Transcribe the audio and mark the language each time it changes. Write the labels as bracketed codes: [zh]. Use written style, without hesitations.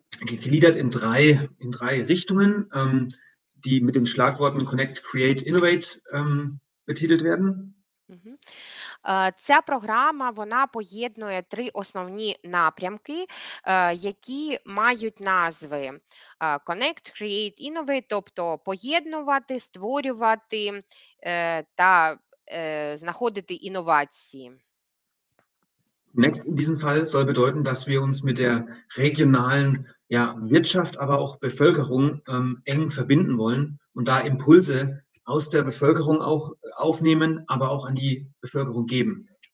[de] Gegliedert in drei Richtungen, die mit den Schlagworten Connect, Create, Innovate betitelt werden. [uk] Ця програма, вона поєднує три основні напрямки, які мають назви Connect, Create, Innovate, тобто поєднувати, створювати та знаходити інновації. [de] Connect in diesem Fall soll bedeuten, dass wir uns mit der regionalen Wirtschaft, aber auch Bevölkerung eng verbinden wollen und da Impulse aus der Bevölkerung auch aufnehmen, aber auch an die Bevölkerung geben.